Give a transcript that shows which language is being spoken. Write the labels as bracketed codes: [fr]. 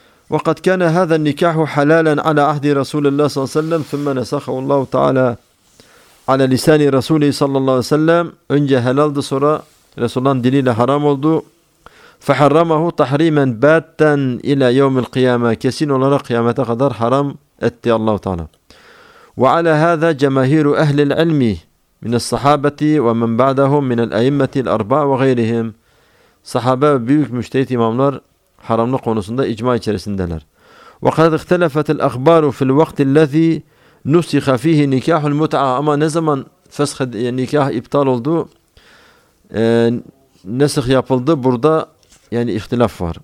[ar] وَقَدْ كَانَ هَذَا النِّكَاحُ حَلَالًا عَلَى عَهْدِ رَسُولِ اللّٰهِ صَلَّى اللّٰهُ عَلَيْهِ وَسَلَّمْ ثُمَّ نَسَخَهُ اللّٰهُ تَعَالَى عَلَى لِسَانِ رَسُولِهِ صَلَّى اللّٰهُ عَلَيْهِ وَسَلَّمْ. [tr] Önce helaldı, sonra Resulullah'ın diliyle haram oldu. [ar] فَحَرَّمَهُ تَحْرِيمًا بَاتًا اِلَى يَوْمِ الْقِيَامَةِ. [tr] Kesin olarak kıyamete kadar haram etti Allah-u Teala. [ar] وَعَلَى هَذَا جَمَهِيرُ أَهْلِ الْعِلْمِ من الصحابة ومن بعدهم من الأئمة الأربعة وغيرهم. [tr] صحابة büyük müştehit imamlar haramlık konusunda icma içerisindeler. [ar] وقد اختلفت الأخبار في الوقت الذي نسخ فيه نكاح المتعة. [tr] Ama ne zaman fesh nikah iptal oldu, nesh yapıldı, burada yani ihtilaf var.